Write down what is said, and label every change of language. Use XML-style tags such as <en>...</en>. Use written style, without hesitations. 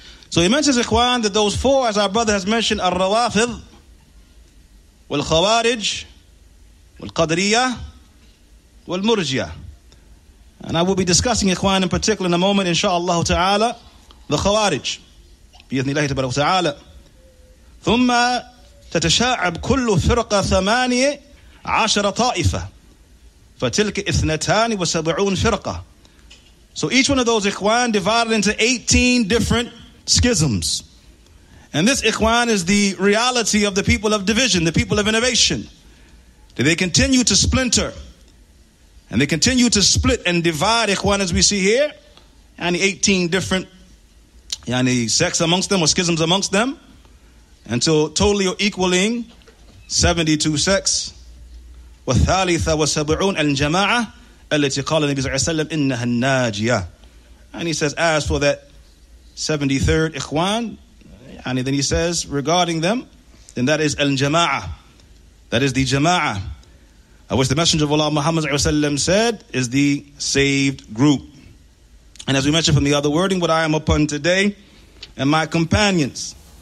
<en>So he mentions, Ikhwan, that those four, as our brother has mentioned, Ar-Rawafidh, Wal-Khawarij, Wal-Qadriya, Wal-Murjiya. And I will be discussing, Ikhwan, in particular in a moment, inshallah ta'ala, the Khawarij.</en> <ar>بإذن الله تبارك وتعالى. ثم تتشاعب كل فرقة ثمانية عشر طائفة فتلك اثنتان وسبعون فرقة.</ar> <en>So each one of those ikhwan divided into 18 different schisms. And this ikhwan is the reality of the people of division, the people of innovation. They continue to splinter. And they continue to split and divide ikhwan as we see here. And the 18 different yani sects amongst them or schisms amongst them. Until totally or equaling 72 sects.</en> <ar>وَالثَّالِثَ وَسَبْعُونَ الْجَمَاعَةَ التي قال النبي صلى الله عليه وسلم إنها الناجية.</ar> <en>And he says, as for that 73rd إخوان, and then he says regarding them, then that is al-jama'ah, that is the jama'ah, of which the Messenger of Allah Muhammad</en> <ar>صلى الله عليه وسلم</ar> <en>said is the saved group. And as we mentioned from the other wording, what I am upon today and my companions.</en>